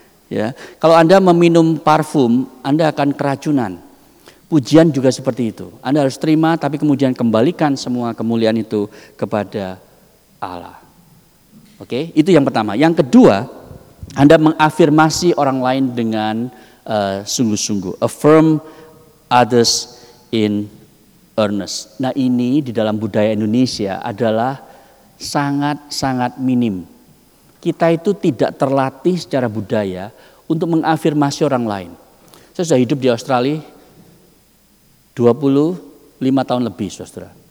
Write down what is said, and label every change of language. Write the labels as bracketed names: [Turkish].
[Indonesian] Ya, kalau Anda meminum parfum, Anda akan keracunan. Pujian juga seperti itu. Anda harus terima, tapi kemudian kembalikan semua kemuliaan itu kepada Allah. Oke, itu yang pertama. Yang kedua, Anda mengafirmasi orang lain dengan sungguh-sungguh. [English] Affirm others in earnest. [Indonesian] Nah, ini di dalam budaya Indonesia adalah sangat-sangat minim. Kita itu tidak terlatih secara budaya untuk mengafirmasi orang lain. Saya sudah hidup di Australia 25 tahun lebih, saudara.